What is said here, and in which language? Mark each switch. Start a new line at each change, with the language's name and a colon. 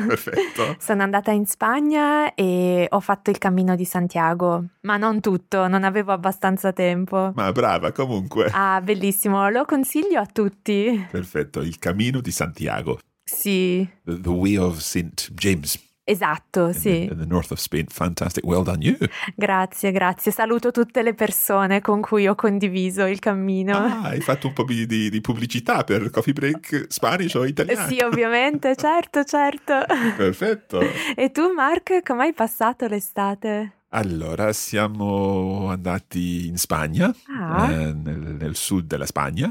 Italian: Perfetto. Sono andata in Spagna e ho fatto il Cammino di Santiago, ma non tutto, non avevo abbastanza tempo. Ma brava, comunque. Ah, bellissimo, lo consiglio a tutti. Perfetto, il Cammino di Santiago. Sì.
English: The Way of St. James.
Italian: Esatto, sì.
English: In the north of Spain, fantastic, well done you.
Italian: Grazie, grazie. Saluto tutte le persone con cui ho condiviso il cammino. Ah, hai fatto un po' di pubblicità per Coffee Break Spanish o italiano. Sì, ovviamente, certo, certo. Perfetto. E tu, Mark, come hai passato l'estate? Allora, siamo andati in Spagna, nel sud della Spagna.